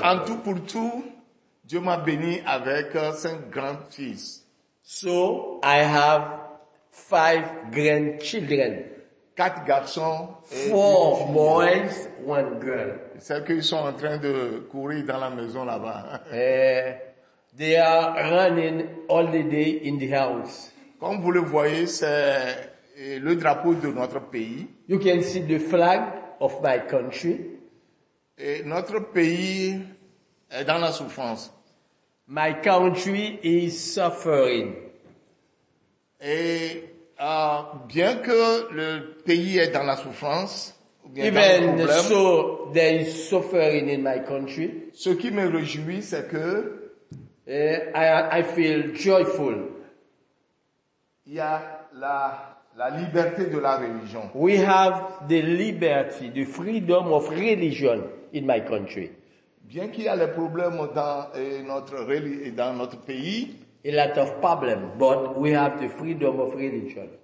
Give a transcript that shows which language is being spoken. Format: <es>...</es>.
<fr>Donc, en tout pour tout, Dieu m'a béni avec cinq grands-fils.</fr> <en>So, I have five grandchildren.</en> <fr>Quatre garçons.</fr> <en>Four boys, one girl.</en> <fr>C'est qu'ils sont en train de courir dans la maison là-bas.</fr> <en>They are running all the day in the house.</en> <fr>Comme vous le voyez, c'est le drapeau de notre pays.</fr> <en>You can see the flag of my country.</en> <fr>Et notre pays est dans la souffrance.</fr> <en>My country is suffering.</en> <fr>Et bien que le pays est dans la souffrance,</fr> <en>Even so, there is suffering in my country.</en> <fr>Ce qui me réjouit, c'est que</fr> <en>I feel joyful.</en> <fr>Il y a la liberté de la religion.</fr> <en>We have the liberty, the freedom of religion in my country.</en> <fr>Bien qu'il y a des problèmes dans notre pays.</fr> <en>A lot of problems, but we have the freedom of religion.</en>